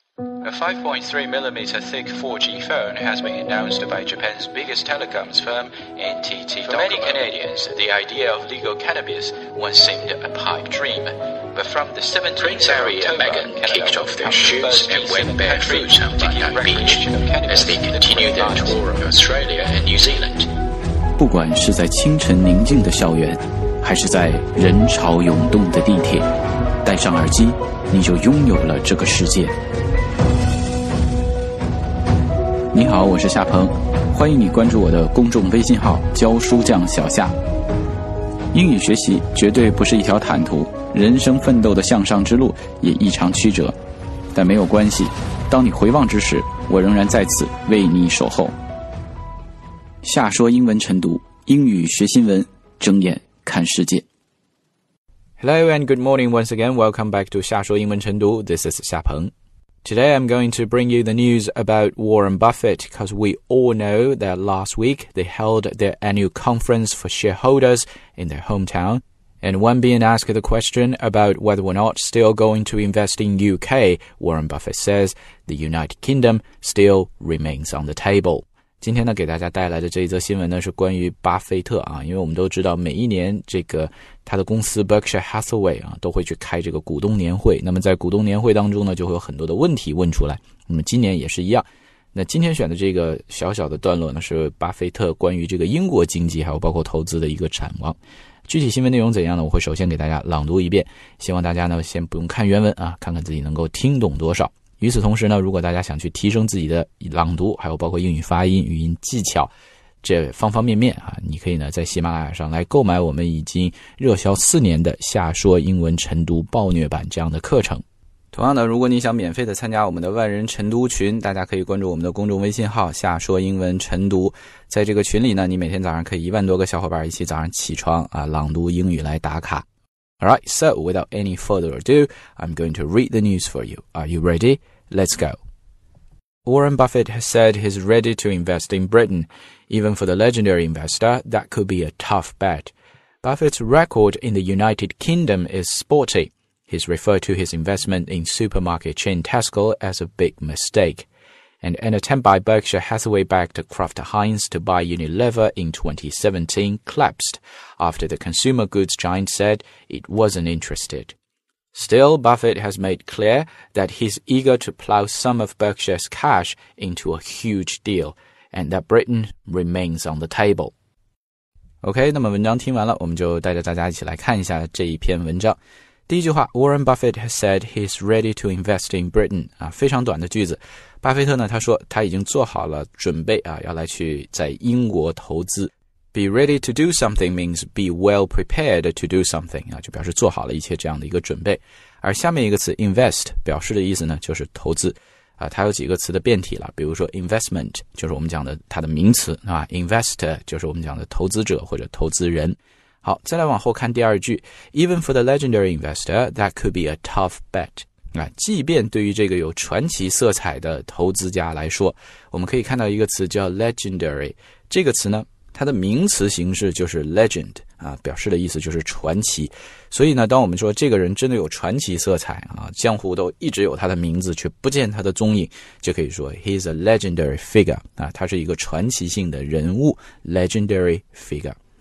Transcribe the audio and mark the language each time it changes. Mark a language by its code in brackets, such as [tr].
[en] A 5.3mm thick 4G phone has been announced by Japan's biggest telecoms firm, NTT Docomo. For many Canadians, the idea of legal cannabis once seemed a pipe dream. But from the 17th of October, Megan kicked off their shoots and went barefoot on Bondi Beach as they continued their tour of Australia and New Zealand. [zh] 不管是在清晨宁静的校园，还是在人潮涌动的地铁，戴上耳机，你就拥有了这个世界。你好，我是夏鹏，欢迎你关注我的公众微信号教书匠小夏。英语学习绝对不是一条坦途，人生奋斗的向上之路也异常曲折，但没有关系，当你回望之时，我仍然在此为你守候。夏说英文晨读，英语学新闻，睁眼看世界。 [en] Hello and good morning once again. Welcome back to 夏说英文晨读。 This is 夏鹏。 Today I'm going to bring you the news about Warren Buffett, because we all know that last week they held their annual conference for shareholders in their hometown. And when being asked the question about whether or not still going to invest in UK, Warren Buffett says the United Kingdom still remains on the table. [zh] 今天呢，给大家带来的这一则新闻呢，是关于巴菲特啊，因为我们都知道，每一年这个他的公司 Berkshire Hathaway 啊，都会去开这个股东年会。那么在股东年会当中呢，就会有很多的问题问出来。那么今年也是一样。那今天选的这个小小的段落呢，是巴菲特关于这个英国经济还有包括投资的一个展望。具体新闻内容怎样呢？我会首先给大家朗读一遍，希望大家呢先不用看原文啊，看看自己能够听懂多少。与此同时呢，如果大家想去提升自己的朗读，还有包括英语发音、语音技巧这方方面面啊，你可以呢在喜马拉雅上来购买我们已经热销四年的夏说英文晨读暴虐版这样的课程。同样呢，如果你想免费的参加我们的万人晨读群，大家可以关注我们的公众微信号夏说英文晨读。在这个群里呢，你每天早上可以10000多个小伙伴一起早上起床啊，朗读英语来打卡。 [en] Alright, so without any further ado, I'm going to read the news for you. Are you ready? Let's go. Warren Buffett has said he's ready to invest in Britain. Even for the legendary investor, that could be a tough bet. Buffett's record in the United Kingdom is spotty. He's referred to his investment in supermarket chain Tesco as a big mistake. And an attempt by Berkshire Hathaway-backed Kraft Heinz to buy Unilever in 2017 collapsed after the consumer goods giant said it wasn't interested. Still, Buffett has made clear that he's eager to plow some of Berkshire's cash into a huge deal, and that Britain remains on the table. [zh] OK, 那么文章听完了，我们就带着大家一起来看一下这一篇文章。第一句话 [en] ,Warren Buffett has said he's ready to invest in Britain, [zh] 啊，非常短的句子。巴菲特呢，他说他已经做好了准备啊，要来去在英国投资。 [en] Be ready to do something means be well prepared to do something, [zh] 啊，就表示做好了一切这样的一个准备。而下面一个词 invest, 表示的意思呢，就是投资。啊，它有几个词的变体了，比如说 investment, 就是我们讲的它的名词，啊 ,investor, 就是我们讲的投资者或者投资人。好，再来往后看第二句 [en] ,even for the legendary investor, that could be a tough bet. [zh] 啊，即便对于这个有传奇色彩的投资家来说，我们可以看到一个词叫 legendary。这个词呢，它的名词形式就是 legend, 啊，表示的意思就是传奇。所以呢，当我们说这个人真的有传奇色彩啊，江湖都一直有他的名字却不见他的踪影，就可以说 [en] he's a legendary figure, [zh] 啊，他是一个传奇性的人物 ,legendary figure。